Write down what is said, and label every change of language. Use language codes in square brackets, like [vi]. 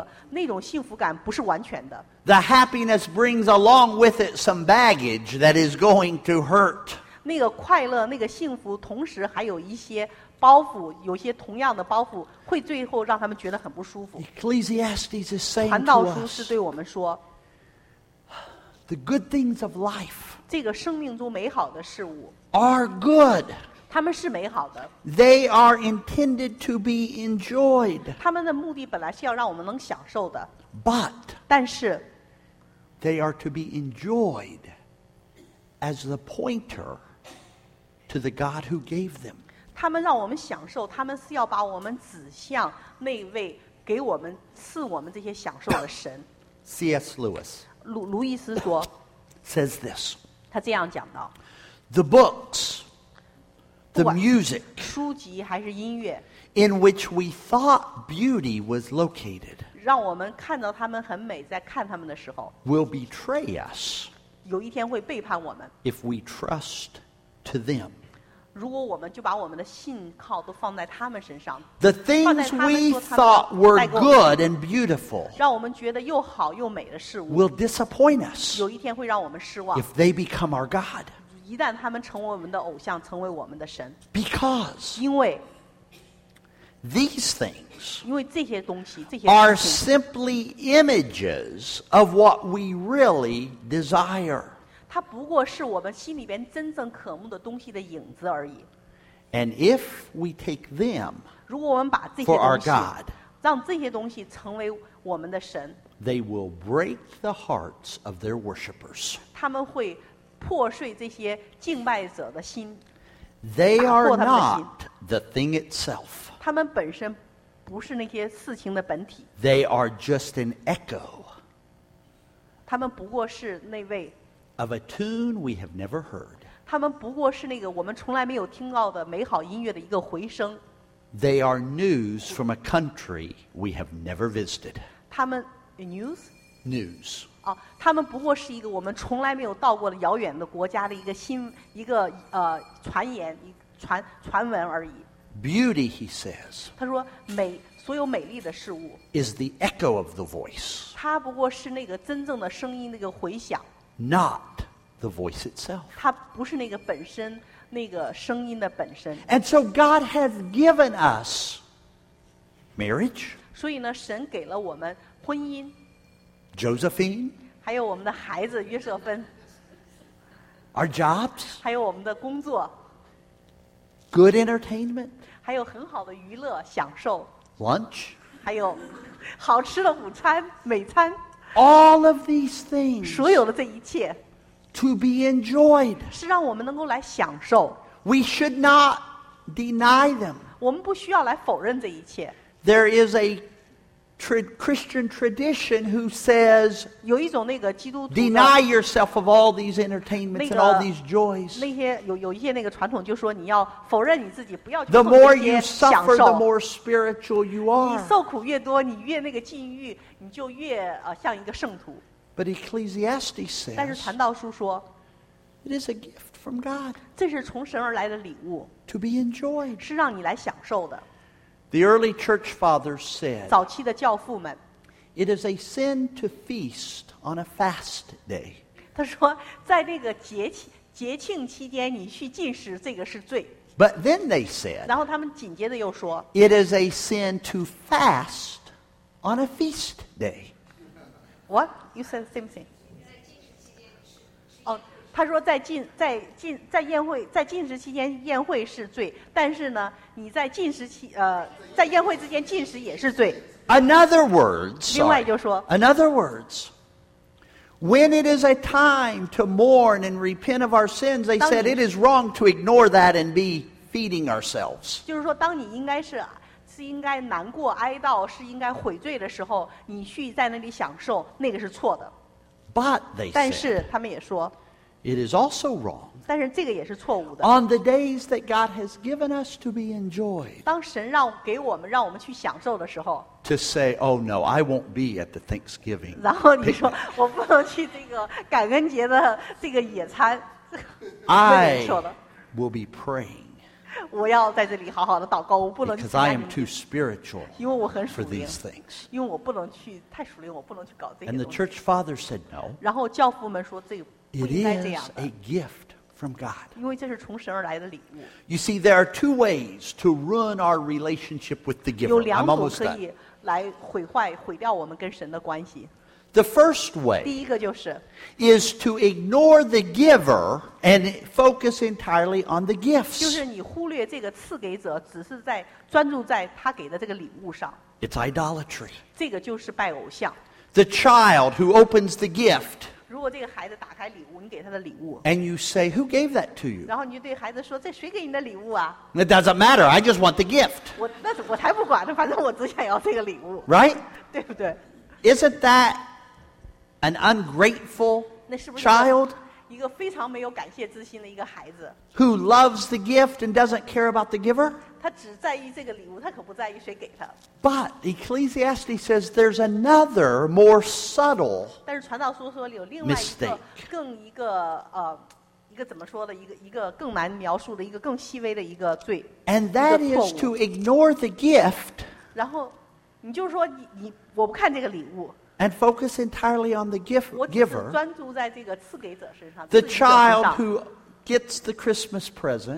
[zh] 那种幸福感不是完全的。 [en] The happiness brings along with it some baggage that is going to hurt. [zh] 那个快乐，那个幸福，同时还有一些包袱，有些同样的包袱，会最后让他们觉得很不舒服。 [en] Ecclesiastes is saying, [zh] 传道书是对我们说。 [en] The good things of life, [zh] 这个生命中美好的事物 [en] are good. [zh] 他们是美好的 [en] They are intended to be enjoyed. [zh] 他们的目的本来是要让我们能享受的 [en] But, [zh] 但是 [en] they are to be enjoyed as the pointer to the God who gave them. [zh] 他们让我们享受，他们是要把我们指向那位给我们赐我们这些享受的神 [en] C.S. Lewis. [zh] 路易斯说 [en] says this [zh] 他这样讲到 [en] the books the music [zh] 书籍还是音乐 [en] in which we thought beauty was located [zh] 让我们看到他们很美在看他们的时候 [en] will betray us [zh] 有一天会背叛我们 [en] if we trust to them [zh] 如果我们就把我们的信靠都放在他们身上 [en] the things we thought were good and beautiful [zh] 让我们觉得又好又美的事物 [en] will disappoint us [zh] 有一天会让我们失望 [en] if they become our God [zh] 一旦他们成为我们的偶像成为我们的神 [en] because [zh] 因为 [en] these things [zh] 因为这些东西这些 [en] are simply images of what we really desire [zh] 它不过是我们心里边真正渴慕的东西的影子而已。 [en] And if we take them, [zh] 如果我们把这些东西 [en] for our God, [zh] 让这些东西成为我们的神 [en] they will break the hearts of their worshippers. [zh] 他们会破碎这些敬拜者的心。 [en] They are not the thing itself. [zh] 他们本身不是那些事情的本体。 [en] They are just an echo. [zh] 他们不过是那位 [en] Of a tune we have never heard. [zh] 他们不过是那个我们从来没有听到的美好音乐的一个回声。 [en] They are news from a country we have never visited. [zh] 他们 [en] news? News. [zh] 哦，他们不过是一个我们从来没有到过的遥远的国家的一个新一个传言传闻而已。 [en] Beauty, he says. [zh] 他说美所有美丽的事物 [en] is the echo of the voice. [zh] 它不过是那个真正的声音那个回响。 [en] Not the voice itself. [zh] 它不是那个本身，那个声音的本身。 [en] And so God has given us Marriage. [zh] 所以呢，神给了我们婚姻。 [en] Josephine. [zh] 还有我们的孩子约瑟芬。 [en] Our jobs. [zh] 还有我们的工作。 [en] Good entertainment. [zh] 还有很好的娱乐享受。 [en] Lunch. [zh] 还有好吃的午餐美餐。 [en] All of these things. [zh] 所有的这一切。 [en] To be enjoyed. [zh] 是让我们能够来享受。 [en] We should not deny them. [zh] 我们不需要来否认这一切。 [en] There is a Christian tradition who says, [zh] 有一种那个基督徒 [en] deny yourself of all these entertainments、 [zh] 那个、 [en] and all these joys. [zh] 那些有一些那个传统就说你要否认你自己，不要去做这些享受。 [en] The more you suffer, the more spiritual you are. [zh] 你受苦越多，你越那个禁欲，你就越像一个圣徒。 [en] But Ecclesiastes says, [zh] 但是传道书说 [en] it is a gift from God. [zh] 这是从神而来的礼物。 [en] To be enjoyed. [zh] 是让你来享受的。 [en] The early church fathers said, [zh] 早期的教父们, [en] it is a sin to feast on a fast day. [zh] 他说在那个节庆期间你去进食这个是罪。 [en] But then they said, [zh] 然后他们紧接着又说, [en] it is a sin to fast on a feast day. What? You said the same thing. [zh] 哦，他说在进食期间宴会是罪，但是呢，你在进食期在宴会之间进食也是罪。 [en] Another words. [zh] 另外就说。 [en] Another words. When it is a time to mourn and repent of our sins, they said it is wrong to ignore that and be feeding ourselves. [zh] 就是说，当你应该难过哀悼，是应该悔罪的时候，你去在那里享受，那个是错的。 [en] But they said. [zh] 但是他们也说。 [en] It is also wrong. [zh] 但是这个也是错误的。 [en] On the days that God has given us to be enjoyed. [zh] 当神让我们去享受的时候。 [en] To say, oh no, I won't be at the Thanksgiving. [zh] 然后你说我不能去这个感恩节的这个野餐。 [en] I will be praying. [zh] 我要在这里好好的祷告，我不能去。 [en] Because I am too spiritual. [zh] 因为我很属灵。 [en] For these things. [zh] 因为我不能去太属灵，我不能去搞这些东西。 [en] And the church father said no. [zh] 然后教父们说这个。 [en] It is a gift from God. [zh] 因为这是从神而来的礼物。 [en] You see, there are two ways to ruin our relationship with the giver. [zh] 有两种可以来毁掉我们跟神的关系。 [en] The first way, [zh] 第一个就是, [en] is to ignore the giver and focus entirely on the gifts. [zh] 就是你忽略这个赐给者，只是在专注在他给的这个礼物上。 [en] It's idolatry. [zh] 这个就是拜偶像。 [en] The child who opens the gift. [zh] 如果这个孩子打开礼物，你给他的礼物 [en] ，and you say who gave that to you？ [zh] 然后你就对孩子说，这谁给你的礼物啊 [en] ？It doesn't matter. I just want the gift. [zh] 我才不管呢，反正我只想要这个礼物。 [en] Right？ [zh] 对不对 [en] ？Isn't that an ungrateful child？ [zh] 一个非常没有感谢之心的一个孩子 [en] ，who loves the gift and doesn't care about the giver？ [zh] 他只在意这个礼物，他可不在意谁给他。 [en] But Ecclesiastes says there's another more subtle. [zh] 但是传道书说有另外一个更一个一个怎么说的一个更难描述的一个更细微的一个罪。 [en] And that is to ignore the gift. [zh] 然后你就说你我不看这个礼物。 [en] And focus entirely on the gift giver. [zh] 我只专注在这个赐给者身上。 [en] The child who gets the Christmas present.